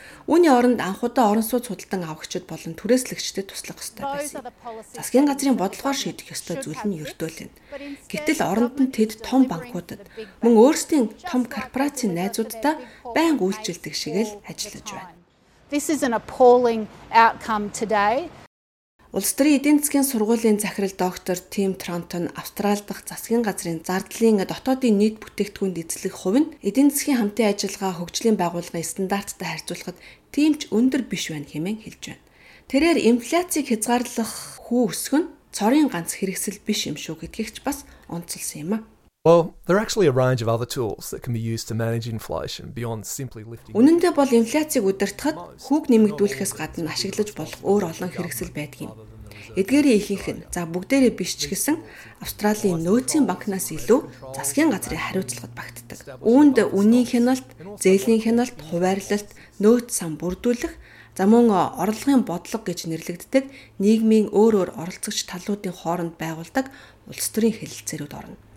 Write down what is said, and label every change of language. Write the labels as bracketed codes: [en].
[mn] Үүний оронд анхудаа орон сууц худалдан авагчид болон түрээслэгчдэд туслах ёстой байсан. Засгийн газрын бодлогоор шийдэх ёстой зүйл нь ердөөлэн. Гэтэл оронд нь тэд том банкуудад, мөн өөрсдийн том корпорацийн найзуудтай байнга үйлчилдэг шигэл ажиллаж байна. [en] This is an appalling outcome today. [mn] Улс төрийн эдийн засгийн сургуулийн захирал доктор Тим Трантон Австрали дахь засгийн газрын зардлын дотоодын нийт бүтээгдэхүүнд эзлэх хувь нь эдийн засгийн хамтын ажиллагаа хөгжлийн байгууллагын стандарттай харьцуулахад тийм ч өндөр биш байна хэмээн хэлж байна. Тэрээр инфляцийг хязгаарлах хүү өсгөн цорын ганц хэрэгсэл биш юм шүү гэдгийг ч бас онцлсан юм. [en] Well, there are actually a range of other tools that can be used to manage inflation beyond simply lifting. [mn] Үнэндээ бол инфляцийг удирдахад хүүг нэмэгдүүлэхээс гадна ашиглаж болох өөр олон хэрэгсэл байдаг юм. Эдгээрийн ихэнх нь за бүгдээрээ биш ч гэсэн Австралийн нөөцийн банкнаас илүү засгийн газрын хариуцлагад багтдаг. Үүнд үнийн хяналт, зээлийн хяналт, хуваарлалт, нөөц сан бүрдүүлэх, за мөн орлогын бодлого гэж нэрлэгддэг нийгмийн өөр өөр оролцогч талуудын хооронд байгуулагдаг улс төрийн хэлэлцээрүүд орно.